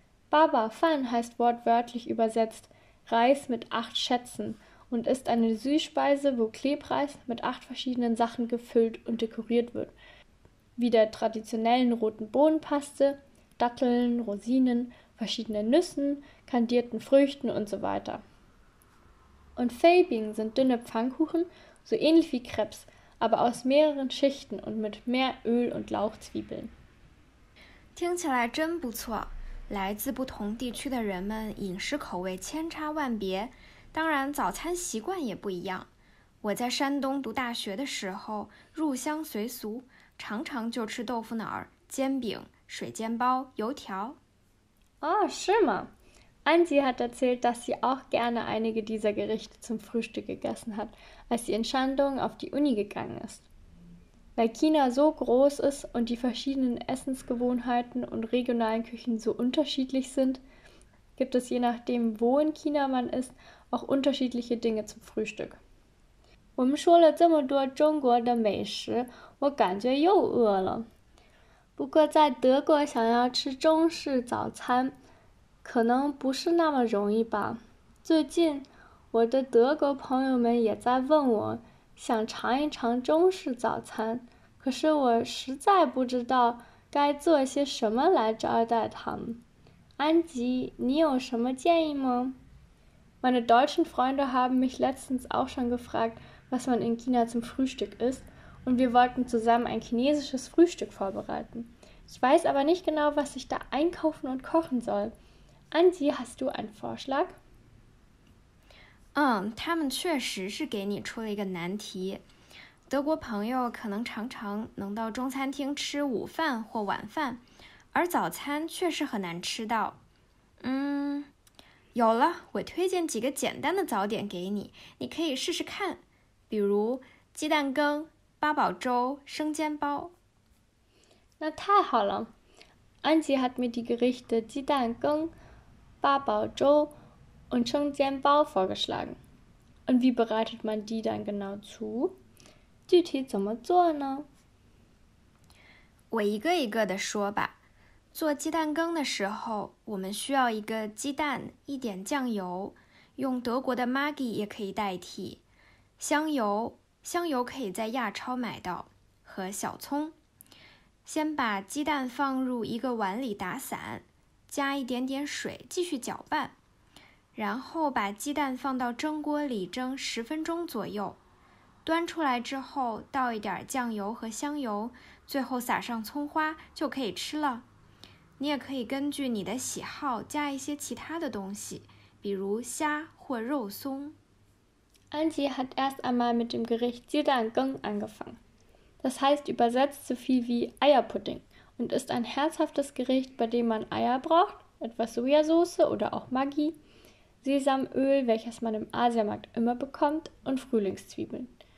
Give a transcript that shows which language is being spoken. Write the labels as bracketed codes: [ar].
[de] Baba Fan heißt wortwörtlich übersetzt Reis mit 8 Schätzen, und ist eine Süßspeise, wo Klebreis mit 8 verschiedenen Sachen gefüllt und dekoriert wird, wie der traditionellen roten Bohnenpaste, Datteln, Rosinen, verschiedenen Nüssen, kandierten Früchten und so weiter. Und Feibing sind dünne Pfannkuchen, so ähnlich wie Crepes, aber aus mehreren Schichten und mit mehr Öl und Lauchzwiebeln. [zh] 听起来真不错，来自不同地区的人们饮食口味千差万别。当然早餐习惯也不一样，我在山东读大学的时候入乡随俗，常常就吃豆腐脑、煎饼、水煎包、油条。哦，是吗？ [de] Angie hat erzählt, dass sie auch gerne einige dieser Gerichte zum Frühstück gegessen hat, als sie in Shandong auf die Uni gegangen ist. Weil China so groß ist und die verschiedenen Essensgewohnheiten und regionalen Küchen so unterschiedlich sind, gibt es je nachdem, wo in China man ist, auch unterschiedliche Dinge zum Frühstück. [zh] 我们说了这么多中国的美食，我感觉又饿了。不过在德国想要吃中式早餐，可能不是那么容易吧。最近，我的德国朋友们也在问我，想尝一尝中式早餐，可是我实在不知道该做些什么来招待他们。安吉，你有什么建议吗？ [de] Meine deutschen Freunde haben mich letztens auch schon gefragt, was man in China zum Frühstück isst, und wir wollten zusammen ein chinesisches Frühstück vorbereiten. Ich weiß aber nicht genau, was ich da einkaufen und kochen soll. Anzi, hast du einen Vorschlag? [zh] 他们确实是给你出了一个难题。德国朋友可能常常能到中餐厅吃午饭或晚饭，而早餐确实很难吃到。有了，我推荐几个简单的早点给你，你可以试试看，比如鸡蛋羹、八宝粥、生煎包。那太好了 [de] ，Angie hat mir die Gerichte 鸡蛋羹、八宝粥 und 生煎包 vorgeschlagen。 Und wie bereitet man die dann genau zu？ [zh] 具体怎么做呢？我一个一个的说吧。做鸡蛋羹的时候，我们需要一个鸡蛋，一点酱油，用德国的 Maggi 也可以代替，香油，香油可以在亚超买到，和小葱。先把鸡蛋放入一个碗里打散，加一点点水继续搅拌，然后把鸡蛋放到蒸锅里蒸十分钟左右，端出来之后倒一点酱油和香油，最后撒上葱花就可以吃了。你也可以根据你的喜好加一些其他的东西，比如虾或肉松。 [de] Angie hat erst einmal mit dem Gericht Gidangeng angefangen. Das heißt übersetzt so viel wie Eierpudding und ist ein herzhaftes Gericht, bei dem man Eier braucht, etwas Sojasauce oder auch Maggi, Sesamöl, welches man im Asiamarkt immer bekommt, und Frühlingszwiebeln.